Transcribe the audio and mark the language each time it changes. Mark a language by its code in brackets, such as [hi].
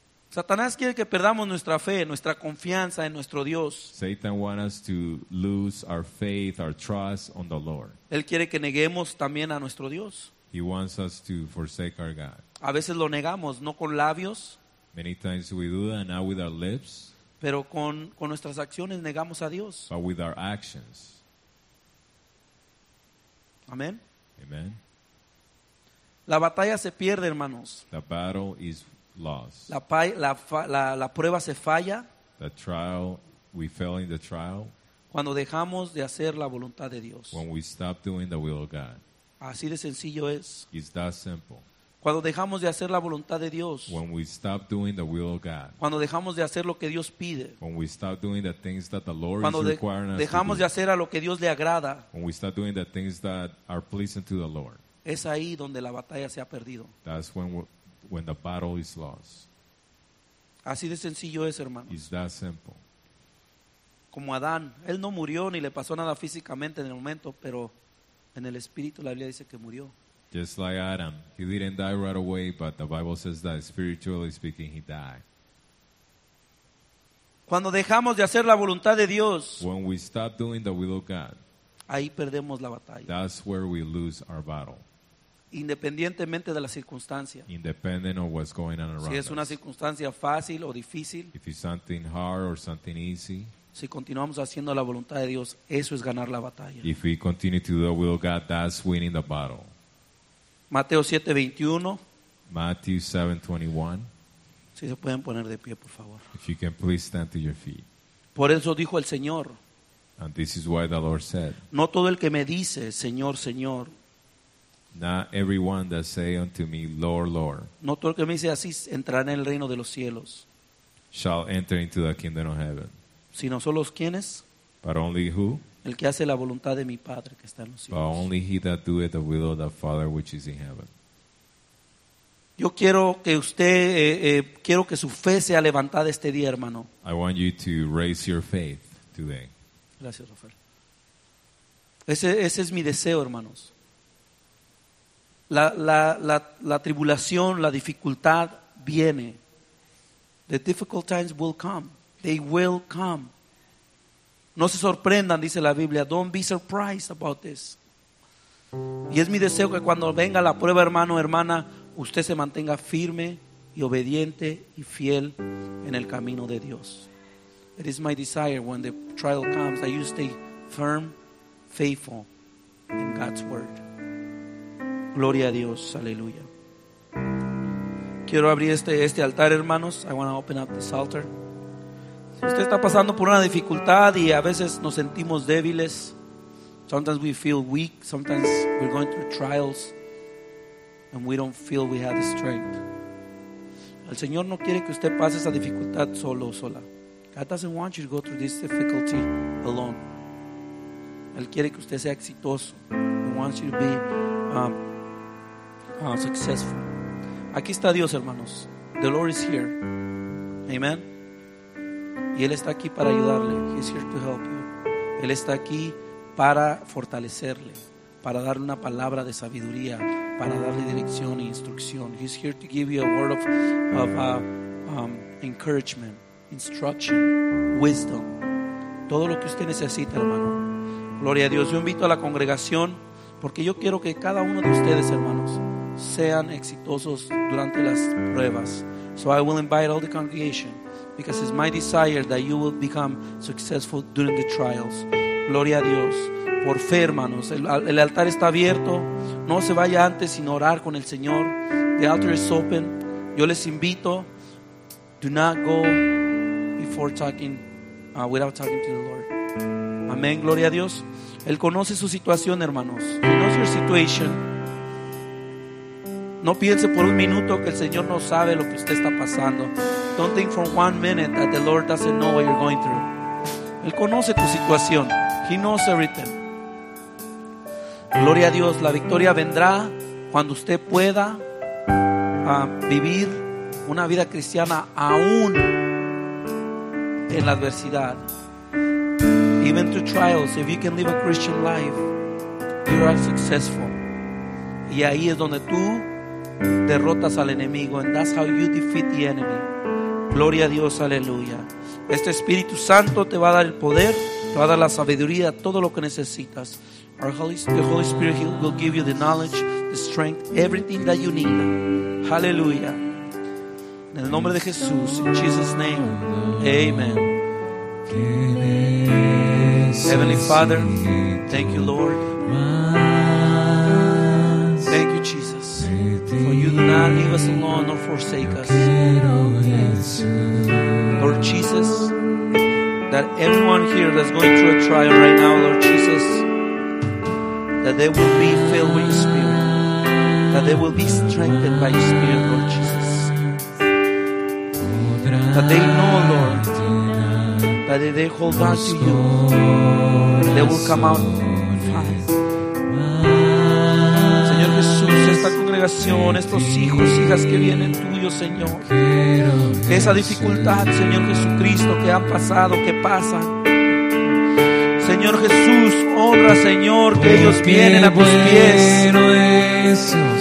[es] Satanás quiere que perdamos nuestra fe, nuestra confianza en nuestro Dios. [en] Satan wants us to lose our faith, our trust on the Lord. [es] Él quiere que neguemos también a nuestro Dios. [en] He wants us to forsake our God. [es] A veces lo negamos, no con labios. [en] Many times we do that, not with our lips. [es] Pero con nuestras acciones negamos a Dios. [en] But with our actions. [es] Amén. [en] Amen. [es] La batalla se pierde, hermanos. [en] The battle is lost. [es] La prueba se falla. [en] The trial, we fail in the trial. [es] Cuando dejamos de hacer la voluntad de Dios. [en] When we stop doing the will of God. [es] Así de sencillo es. [en] It's that simple. [es] Cuando dejamos de hacer la voluntad de Dios. [en] When we stop doing the will of God. [es] Cuando dejamos de hacer lo que Dios pide. [en] When we stop doing the things that the Lord is requiring us to do. [es] Cuando dejamos de hacer a lo que Dios le agrada. [en] When we stop doing the things that are pleasing to the Lord. [es] Es ahí donde la batalla se ha perdido. [en] That's when the battle is lost. [es] Así de sencillo es, hermano. [en] It's that simple. [es] Como Adán, él no murió ni le pasó nada físicamente en el momento, pero en el espíritu la Biblia dice que murió. [en] Just like Adam, he didn't die right away, but the Bible says that spiritually speaking he died. [es] Cuando dejamos de hacer la voluntad de Dios, [en] when we stop doing the will of God, [es] ahí perdemos la batalla. [en] That's where we lose our battle. [es] Independientemente de la circunstancia. [en] Independent of what's going on around [es] us. Si es una circunstancia fácil o difícil. [en] If it's something hard or something easy. [es] Si continuamos haciendo la voluntad de Dios, eso es ganar la batalla. [en] If we continue to do the will of God, that's winning the battle. [es] Mateo 7:21. [en] Matthew 7:21. [es] Si se pueden poner de pie, por favor. [en] If you can please stand to your feet. [es] Por eso dijo el Señor. [en] And this is why the Lord said. [es] No todo el que me dice, Señor, Señor. [en] Not everyone that say unto me, Lord, Lord. [es] No todo el que me dice así entrará en el reino de los cielos. [en] Shall enter into the kingdom of heaven. [es] Sino solo quienes. [en] But only who. [es] El que hace la voluntad de mi Padre que está en los cielos. [en] But only he that doeth the will of the Father which is in heaven. [es] Yo quiero que usted quiero que su fe sea levantada este día, hermano. [en] I want you to raise your faith today. [es] Gracias, Rafael. Ese es mi deseo, hermanos. La tribulación, la dificultad viene. [en] The difficult times will come. They will come. [es] No se sorprendan, dice la Biblia. [en] Don't be surprised about this. [es] Y es mi deseo que cuando venga la prueba, hermano, hermana, usted se mantenga firme y obediente y fiel en el camino de Dios. [en] It is my desire when the trial comes that you stay firm, faithful in God's word. [es] Gloria a Dios, aleluya. Quiero abrir este altar, hermanos. [en] I want to open up this altar. [es] Si usted está pasando por una dificultad y a veces nos sentimos débiles, [en] sometimes we feel weak, sometimes we're going through trials and we don't feel we have the strength. [es] El Señor no quiere que usted pase esa dificultad solo o sola. [en] God doesn't want you to go through this difficulty alone. [es] Él quiere que usted sea exitoso. [en] He wants you to be successful. [es] Aquí está Dios, hermanos. [en] The Lord is here. [es] Amen. Y Él está aquí para ayudarle. [en] He's here to help you. [es] Él está aquí para fortalecerle, para darle una palabra de sabiduría, para darle dirección e instrucción. [en] He's here to give you a word of encouragement, instruction, wisdom. [es] Todo lo que usted necesita, hermano. Gloria a Dios. Yo invito a la congregación, porque yo quiero que cada uno de ustedes, hermanos, sean exitosos durante las pruebas. [en] So I will invite all the congregation, because it's my desire that you will become successful during the trials. [es] Gloria a Dios. Por fe, hermanos, el altar está abierto. No se vaya antes sin orar con el Señor. [en] The altar is open. [es] Yo les invito, [en] do not go before talking, without talking to the Lord. [es] Amén, gloria a Dios. Él conoce su situación, hermanos. [en] He knows your situation. [es] No piense por un minuto que el Señor no sabe lo que usted está pasando. [en] Don't think for one minute that the Lord doesn't know what you're going through. [es] Él conoce tu situación. [en] He knows everything. [es] Gloria a Dios, la victoria vendrá cuando usted pueda vivir una vida cristiana aún en la adversidad. [en] Even through trials, if you can live a Christian life, you are successful. [es] Y ahí es donde tú derrotas al enemigo. [en] And that's how you defeat the enemy. [es] Gloria a Dios, aleluya. Este Espíritu Santo te va a dar el poder, te va a dar la sabiduría, todo lo que necesitas. [en] The Holy Spirit, He will give you the knowledge, the strength, everything that you need. Hallelujah. [es] En el nombre de Jesús, [en] in Jesus' name, amen. Heavenly Father, thank you, Lord. Thank you, Jesus. For you do not leave us alone or forsake us. Lord Jesus, that everyone here that's going through a trial right now, Lord Jesus, that they will be filled with your Spirit. That they will be strengthened by your Spirit, Lord Jesus. That they know, Lord, that if they hold on to you, they will come out fine. [es] Señor Jesús, esta congregación, estos hijos, hijas que vienen tuyos, Señor. Esa dificultad, Señor Jesucristo, que ha pasado, que pasa. Señor Jesús, honra, Señor, que ellos vienen a tus pies.